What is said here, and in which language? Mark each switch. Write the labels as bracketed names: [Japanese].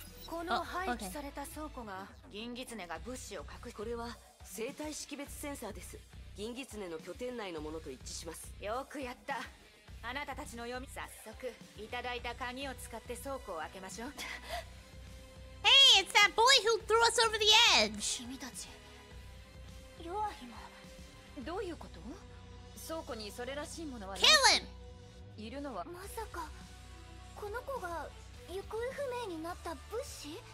[Japanese] この廃棄された倉庫が銀狐が物資を隠し、これは生体識別センサーです。銀狐の拠点内のものと一致します。よくやった。あなたたちの読み、早速いただいた鍵を使って倉庫を開けましょう。 [English] Hey, it's that boy who threw us over the edge! [Japanese] 君たち、ヨアヒマ、どういうこと？倉庫にそれらしいものは、 [English] Kill him! [Japanese] いるのは、まさか、この子が行方不明になった物資？